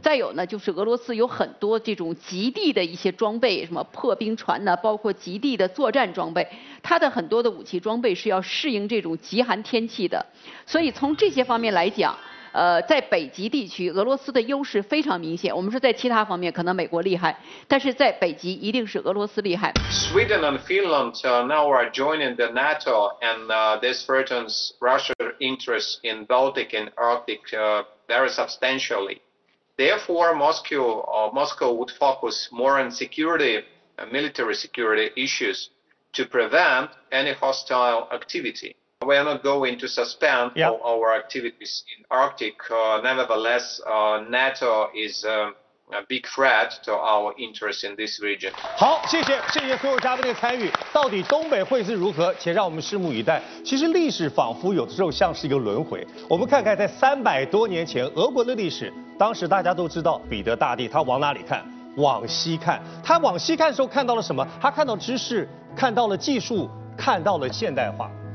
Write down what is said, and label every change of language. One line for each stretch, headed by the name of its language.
Chinese: 再有呢，就是俄罗斯有很多这种极地的一些装备，什么破冰船呢，包括极地的作战装备，它的很多的武器装备是要适应这种极寒天气的，所以从这些方面来讲，在北极地区俄罗斯的优势非常明显。我们说在其他方面可能美国厉害，但是在北极一定是俄罗斯厉害。
English: Sweden and Finland now are joining the NATO and this threatens Russia's interests in Baltic and Arctic very substantially. Therefore Moscow would focus more on security military security issues to prevent any hostile activityWe are not going to suspend all our activities in Arctic. Nevertheless, NATO is a big threat to our interests in this region.
Chinese: 好，谢谢，谢谢所有嘉宾的参与。到底东北会是如何？且让我们拭目以待。其实历史仿佛有的时候像是一个轮回。我们看看在300多年前俄国的历史，当时大家都知道彼得大帝他往哪里看？往西看。他往西看的时候看到了什么？他看到知识，看到了技术，看到了现代化。